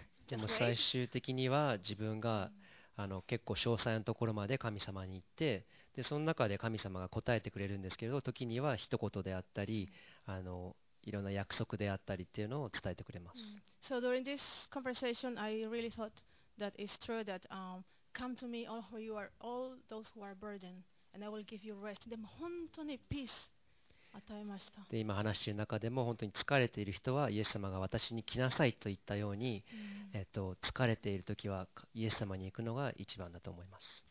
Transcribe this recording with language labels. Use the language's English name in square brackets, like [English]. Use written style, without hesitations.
[Japanese] でも最終的には自分が結構詳細のところまで神様に行って、でその中で神様が答えてくれるんですけれど、時には一言であったり、いろんな約束であったりっていうのを伝えてくれます。 [English] So during this conversation, I really thought that it's true that come to me all who you are, all those who are burdened, and I will give you rest. [Japanese] でも本当にピース与えました。で今話している中でも本当に疲れている人はイエス様が私に来なさいと言ったように、疲れている時はイエス様に行くのが一番だと思います。